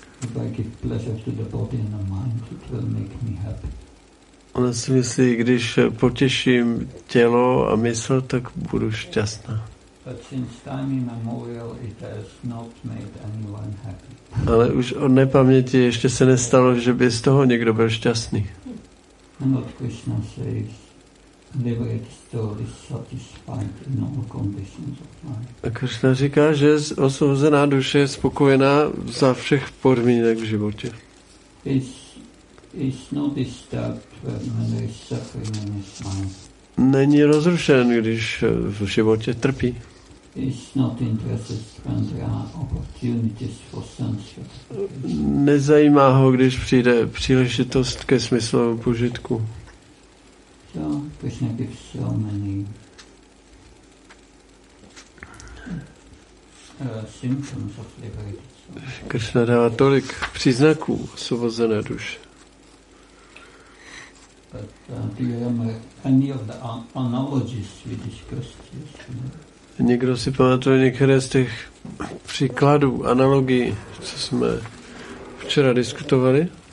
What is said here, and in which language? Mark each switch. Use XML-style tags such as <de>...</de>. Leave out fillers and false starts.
<en>If I give pleasure to the body and the mind, it will make me happy.</en> <cs>Ona si myslí, když potěším tělo a mysl, tak budu šťastná.</cs> <en>But since time immemorial, it has not made anyone happy.</en> <cs>Ale už od nepaměti ještě se nestalo, že by z toho někdo byl šťastný.</cs> <en>And what Krishna says, liberated soul is satisfied in all conditions of life.</en> <cs>A Krishna říká, že osvobozená duše je spokojená za všech podmínek v životě.</cs> <en>It's not disturbed when there is suffering in his mind.</en> <cs>Není rozrušen, když v životě trpí.</cs> <en>It's not interested when there are opportunities for sense gratification.</en> <cs>Nezajímá ho, když přijde příležitost ke smyslovému požitku.</cs> <en>So Krishna gives so many symptoms of liberated soul.</en> <cs>Krishna dává tolik příznaků osvobozené duše.</cs> <en>But do you remember any of the analogies we discussed yesterday?</en> <cs>Někdo si pamatuje některé z těch příkladů, analogií, co jsme včera diskutovali?</cs>